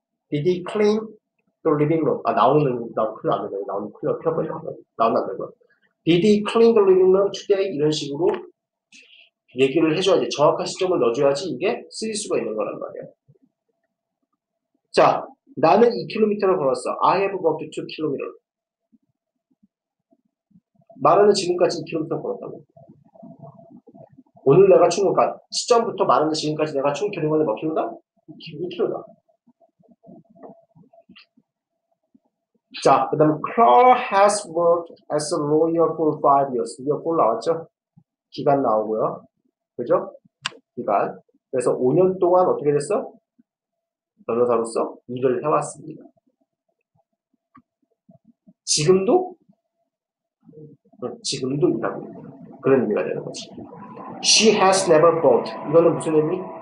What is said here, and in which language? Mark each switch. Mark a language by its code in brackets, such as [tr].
[en] Did he clean the living room? [ko] 아, now는, now 큰일 안 되네. now는 큰일 안 되네. now는 안 되네. [en] Did he clean the living room today? [ko] 이런 식으로 얘기를 해줘야지. 정확한 시점을 넣어줘야지 이게 쓰일 수가 있는 거란 말이야. 자, 나는 2km를 걸었어. [en] I have walked 2km. [ko] 말하는 지금까지 2km 걸었다고. 오늘 내가 충분, 그러니까 시점부터 말하는 지금까지 내가 충분 교류관에 몇 킬로다? 2킬로다. 자, 그 다음에 [en] Carl has worked as a lawyer for 5 years. [ko] 이거 꼴 나왔죠? 기간 나오고요. 그죠? 기간. 그래서 5년 동안 어떻게 됐어? 변호사로서 일을 해왔습니다. 지금도? 지금도 일하고 있는 그런 의미가 되는 거지. [en] She has never bought. [ko] 이거는 무슨 의미?